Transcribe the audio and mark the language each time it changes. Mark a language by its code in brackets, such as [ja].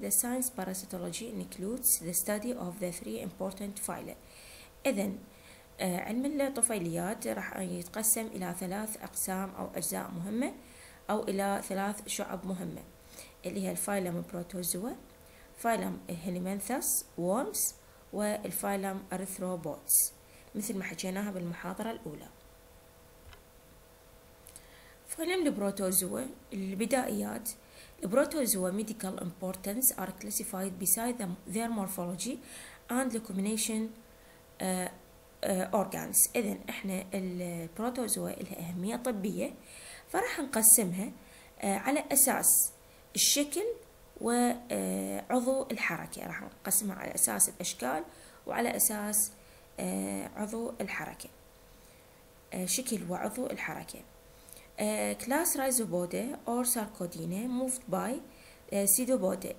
[en] The science parasitology includes the study of the three important phyla. [ar] إذن علم الطفيليات راح يتقسم إلى ثلاث أقسام أو أجزاء مهمة، أو إلى ثلاث شعب مهمة، اللي هي الفايلم بروتوزوا، فايلم هيليمنثس وورمز، والفايلم أرثروبودز، مثل ما حكيناها بالمحاضرة الأولى. فايلم البروتوزوا البدائيات. [en] البروتوزوا medical importance are classified beside their morphology and locomination organs. [ar] إذن إحنا البروتوزوا لها أهمية طبية، فراح نقسمها على أساس الشكل وعضو الحركة. راح نقسمها على أساس الأشكال وعلى أساس عضو الحركة، شكل وعضو الحركة. [en] Class rhizoboda or sarcodina moved by pseudoboda.